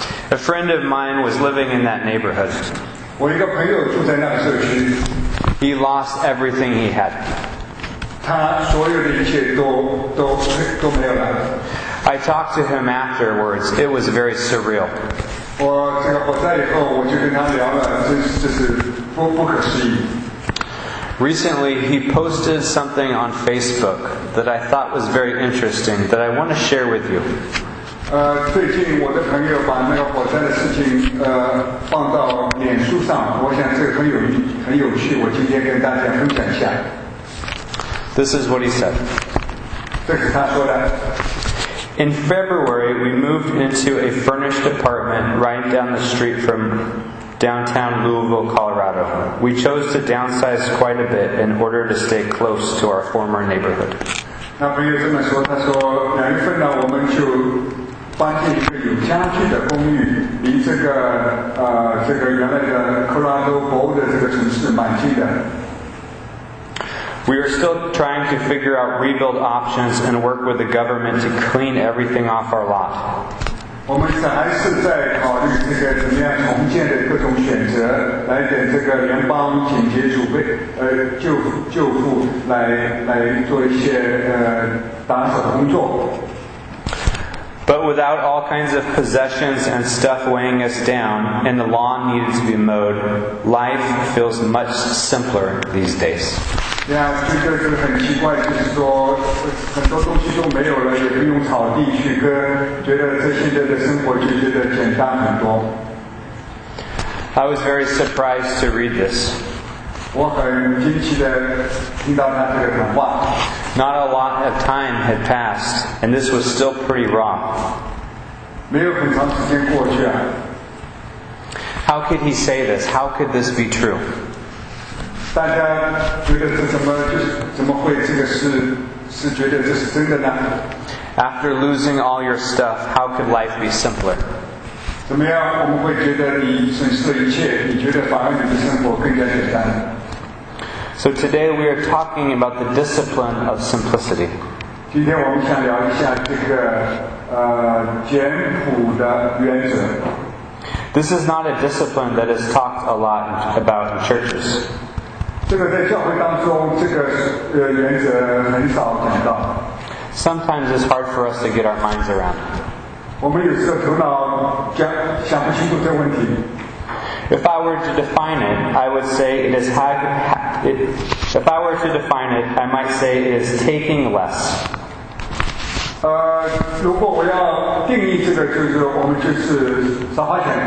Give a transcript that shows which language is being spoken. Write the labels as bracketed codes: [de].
[en] A friend of mine was living in that neighborhood. [zh] 我一个朋友住在那个社区。 [en] He lost everything he had. [zh] 他所有的一切都没有了。 [en] I talked to him afterwards. It was very surreal. [zh] 我这个火灾以后，我就跟他聊了，这是不可思议。 [en] Recently, he posted something on Facebook that I thought was very interesting that I want to share with you. [zh] 最近我的朋友把那个火灾的事情放到脸书上，我想这个很有趣，我今天跟大家分享一下。 [en] This is what he said. [zh] 这是他说的。 [en] In February, we moved into a furnished apartment right down the street from downtown Louisville, Colorado. We chose to downsize quite a bit in order to stay close to our former neighborhood. [zh] 那朋友这么说，他说两月份呢，我们就搬进一个有家具的公寓，离这个原来的 Colorado Boulder 这个城市蛮近的。 [en] We are still trying to figure out rebuild options and work with the government to clean everything off our lot. [zh] 我们还是在考虑这个怎么样重建的各种选择，来给这个联邦紧急储备救护来做一些打扫工作。 [en] But without all kinds of possessions and stuff weighing us down, and the lawn needed to be mowed, life feels much simpler these days. [zh] Yeah, 就觉得很奇怪，就是说很多东西都没有了，也不用草地去割，觉得这现在的生活就觉得简单很多。 [en] I was very surprised to read this. [zh] 我很惊奇地听到他这个谈话。 [en] Not a lot of time had passed, and this was still pretty raw. [zh] 没有很长时间过去啊。 [en] How could he say this? How could this be true? [zh] 大家觉得这怎么会这个是觉得这是真的呢？ [en] After losing all your stuff, how could life be simpler? [zh] 怎么样我们会觉得你损失了一切，你觉得反而你的生活更加简单？ [en] So today we are talking about the discipline of simplicity. [zh] 今天我们想聊一下这个简朴的原则。 [en] This is not a discipline that is talked a lot about in churches. [zh] 这个在教会当中，这个原则很少讲到。 [en] Sometimes it's hard for us to get our minds around. [zh] 我们有时候头脑想不清楚这个问题。 [en] If I were to define it, I would say it is if I were to define it, I might say it is taking less. [zh] 如果我要定义这个，就是我们就是少花钱。